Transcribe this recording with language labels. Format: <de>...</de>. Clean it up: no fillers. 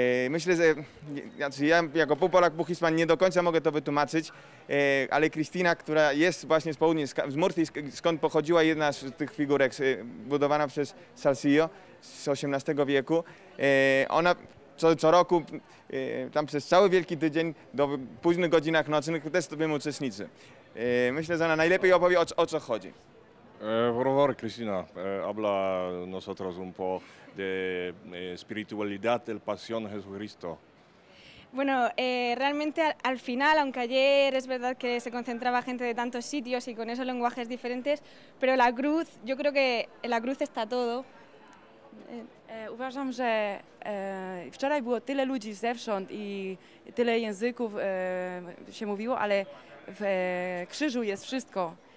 <pl>Myślę, że znaczy ja jako półPolak, półHiszpan nie do końca mogę to wytłumaczyć, ale Krystyna, która jest właśnie z południa, z Murcji, skąd pochodziła jedna z tych figurek, budowana przez Salcillo z XVIII wieku, ona co roku, tam przez cały Wielki Tydzień, do późnych godzinach nocnych, też to bym uczestniczy. Myślę, że ona najlepiej opowie, o co chodzi.</pl> <es>Por favor, Krystyna, habla nosotros un po de espiritualidad, del pasión de Jesucristo. Bueno, realmente al final, aunque ayer es verdad que se concentraba gente de tantos sitios y con esos lenguajes diferentes, pero la cruz, yo creo que en la cruz está todo.</es> <pl>Uważam, że wczoraj było tyle ludzi zewsząd i tyle języków się mówiło, ale w krzyżu jest wszystko.</pl>